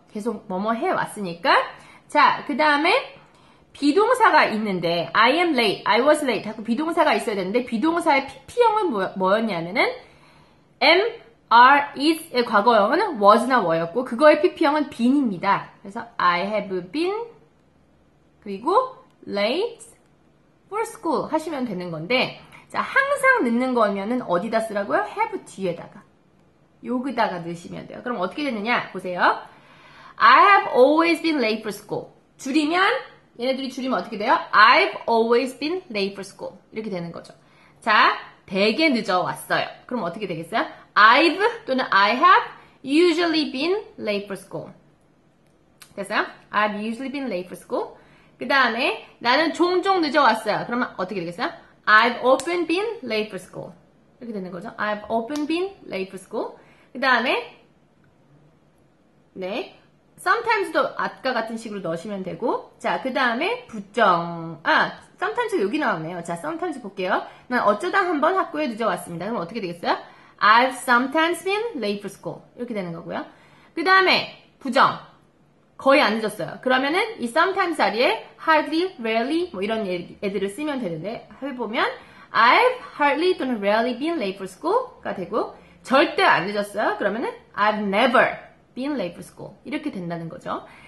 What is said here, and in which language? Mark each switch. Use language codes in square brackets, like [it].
[ko] 계속 뭐뭐 해왔으니까. 자, 그 다음에 비동사가 있는데 [en] I am late, I was late [ko] 하고 비동사가 있어야 되는데 비동사의 PP형은 뭐였냐면은 am, are, is의 과거형은 was나 were였고 그거의 PP형은 been입니다. 그래서 [en] I have been [ko] 그리고 [en] late for school [ko] 하시면 되는 건데 자, 항상 넣는 거면은 어디다 쓰라고요? have 뒤에다가 여기다가 넣으시면 돼요. 그럼 어떻게 되느냐? 보세요. [en] I have always been late for school. [ko] 줄이면 얘네들이 줄이면 어떻게 돼요? [en] I've always been late for school. [ko] 이렇게 되는 거죠. 자, 되게 늦어왔어요. 그럼 어떻게 되겠어요? [en] I've [ko] 또는 [en] I have usually been late for school. [ko] 됐어요? [en] I've usually been late for school. [ko] 그 다음에 나는 종종 늦어왔어요. 그러면 어떻게 되겠어요? [en] I've often been late for school. [ko] 이렇게 되는 거죠. [en] I've often been late for school. [ko] 그 다음에, 네. Sometimes도 아까 같은 식으로 넣으시면 되고, 자, 그 다음에 부정. 아, sometimes 여기 나왔네요. 자, sometimes 볼게요. 난 어쩌다 한번 학교에 늦어왔습니다. 그럼 어떻게 되겠어요? [en] I've sometimes been late for school. [ko] 이렇게 되는 거고요. 그 다음에 부정. 거의 안 늦었어요. 그러면은 이 sometimes 자리에 hardly, rarely 뭐 이런 애들을 쓰면 되는데 해보면 [en] I've hardly [ko] 또는 rarely [en] been late for school [ko] 가 되고 절대 안 늦었어요. 그러면은 [en] I've never been late for school [ko] 이렇게 된다는 거죠.